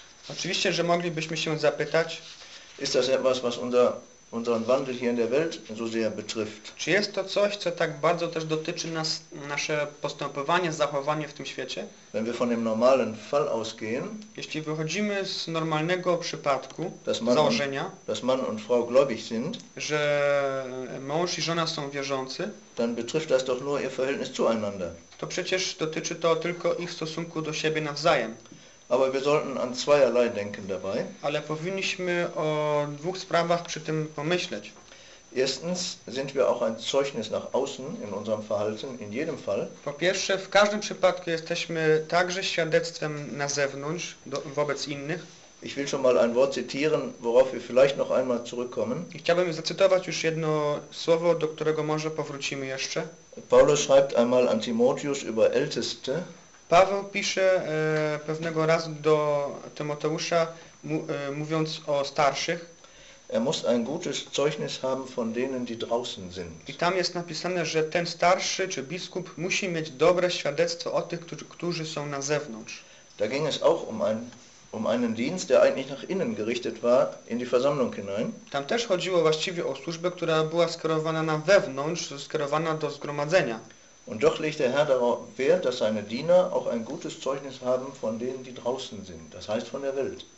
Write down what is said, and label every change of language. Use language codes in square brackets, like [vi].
[pl] Oczywiście, że moglibyśmy się zapytać. [de] Ist das etwas, was unseren Wandel hier in der Welt so sehr betrifft? [pl] Czy jest to coś, co tak bardzo też dotyczy nas, nasze postępowanie, zachowanie w tym świecie? [de] Wenn wir von dem normalen Fall ausgehen, [pl] jeśli wychodzimy z normalnego przypadku, założenia, [de] dass Mann und Frau gläubig sind, [pl] że mąż i żona są wierzący, [de] dann betrifft das doch nur ihr Verhältnis zueinander. [pl] To przecież dotyczy to tylko ich stosunku do siebie nawzajem. [de] Aber wir sollten an zweierlei denken dabei. [pl] Ale powinniśmy o dwóch sprawach przy tym pomyśleć. [de] Erstens sind wir auch ein Zeugnis nach außen in unserem Verhalten, in jedem Fall. [pl] Po pierwsze, w każdym przypadku jesteśmy także świadectwem na zewnątrz, wobec innych. [de] Ich will schon mal ein Wort zitieren, worauf wir vielleicht noch einmal zurückkommen. [pl] I chciałbym zacytować już jedno słowo, do którego może powrócimy jeszcze. [de] Paulus schreibt einmal an Timotheus über Älteste. [pl] Paweł pisze pewnego razu do Tymoteusza, mówiąc o starszych. [de] Er muss ein gutes Zeugnis haben von denen, die draußen sind. [pl] I tam jest napisane, że ten starszy czy biskup musi mieć dobre świadectwo o tych, którzy są na zewnątrz. [de] Da ging es auch um einen Dienst, der eigentlich nach innen gerichtet war, in die Versammlung hinein. [pl] Tam też chodziło właściwie o służbę, która była skierowana na wewnątrz, skierowana do zgromadzenia. [de] Und doch legt der Herr darauf Wert, dass seine Diener auch ein gutes Zeugnis haben von denen, die draußen sind, das heißt von der Welt.